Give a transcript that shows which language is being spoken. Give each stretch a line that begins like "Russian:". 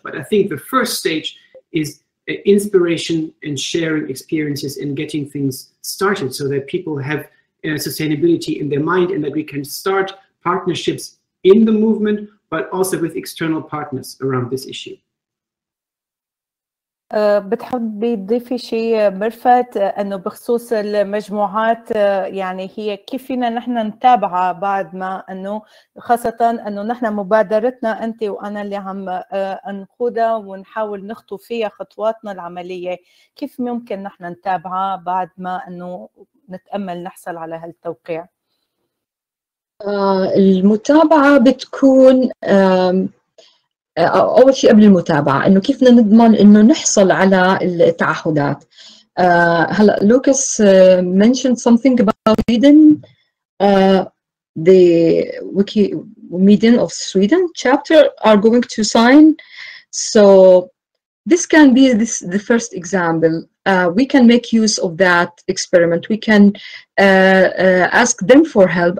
English: But I think the first stage is inspiration and sharing experiences and getting things started so that people have sustainability in their mind and that we can start partnerships in the movement, but also with external partners around this issue.
Arabic: بتحبي تضيفي شيء مرفت انه بخصوص المجموعات يعني هي كيف فينا نحن نتابعها بعد ما انه خاصه انه نحن مبادرتنا انت وانا اللي عم نقودها ونحاول نخطو فيها خطواتنا العمليه كيف ممكن نحن نتابعها بعد ما انه نتامل نحصل على هالتوقيع المتابعه بتكون أول شيء قبل المتابعة إنه كيف نضمن إنه نحصل على التعهدات.
English: هلا Lucas mentioned something about Sweden, the Wikimedian of Sweden chapter are going to sign. So this can be this the first example. We can make use of that experiment. We can ask them for help.